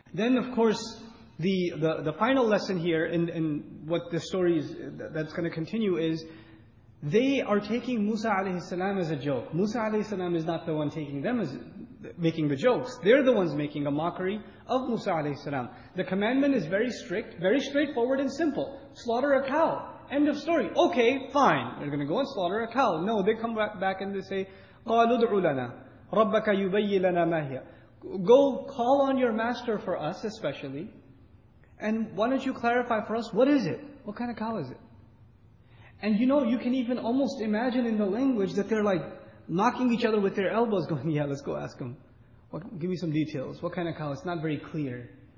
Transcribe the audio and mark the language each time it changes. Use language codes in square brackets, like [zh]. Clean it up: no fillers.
[en] Then, of course, the final lesson here in what the story is that's going to continue is, they are taking Musa alayhi salam as a joke. Musa alayhi salam is not the one taking them as making the jokes. They're the ones making a mockery of Musa alayhi salam. The commandment is very strict, very straightforward and simple. Slaughter a cow. End of story. Okay, fine. They're going to go and slaughter a cow. No, they come back and they say, [ar] قَالُ ادْعُ لَنَا رَبَّكَ يُبَيِّ لَنَا مَا هِيَ. [en] Go call on your master for us especially. And why don't you clarify for us, what is it? What kind of cow is it? And you know, you can even almost imagine in the language that they're like knocking each other with their elbows going, yeah, let's go ask them. Give me some details. What kind of cow? It's not very clear.